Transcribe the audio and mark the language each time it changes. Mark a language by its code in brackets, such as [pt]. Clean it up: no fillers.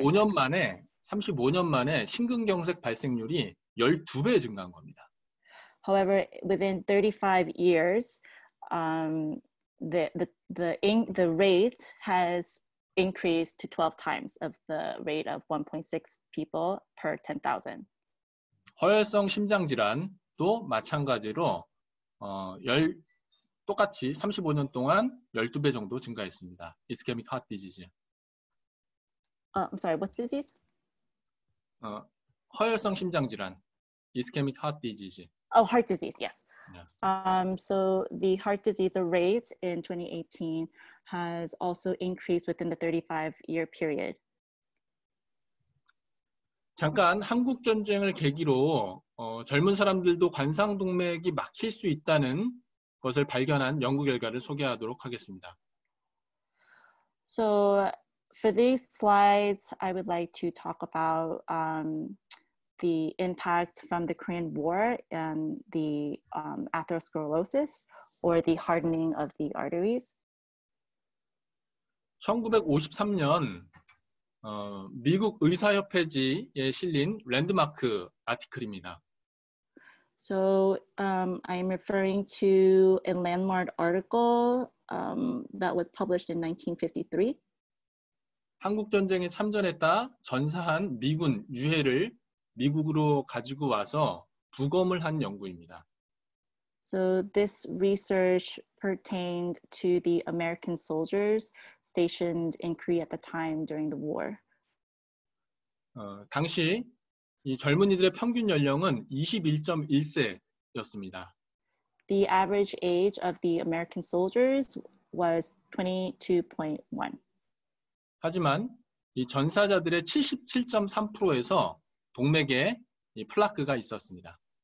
[ko] 35년 만에, 35년 만에 심근경색 발생률이 12배 증가한 겁니다. [en] However, within 35 years, the rate has increased to 12 times of the rate of 1.6 people per 10,000. [ko] 허혈성 심장 질환도 마찬가지로 똑같이 35년 동안 12배 정도 증가했습니다. [en] Ischemic heart disease. I'm sorry, what disease? [ko] 허혈성 심장 질환. [en] Ischemic heart disease. Oh, heart disease, yes. Yeah. So the heart disease rate in 2018 has also increased within the 35-year period. [ko] 잠깐 한국 전쟁을 계기로 젊은 사람들도 관상동맥이 막힐 수 있다는 것을 발견한 연구 결과를 소개하도록 하겠습니다. [en] So for these slides, I would like to talk about the impact from the Korean War and the atherosclerosis or the hardening of the arteries. [ko] 1953년 미국 의사협회지에 실린 랜드마크 아티클입니다. [en] So I'm referring to a landmark article that was published in 1953. [ko] 한국 전쟁에 참전했다 전사한 미군 유해를 미국으로 가지고 와서 부검을 한 연구입니다. [en] So this research pertained to the American soldiers stationed in Korea at the time during the war. [ko] 당시 이 젊은이들의 평균 연령은 21.1세였습니다. [en] The average age of the American soldiers was 22.1. [ko] 하지만 이 전사자들의 77.3%에서 동맥에 이 플라크가 있었습니다.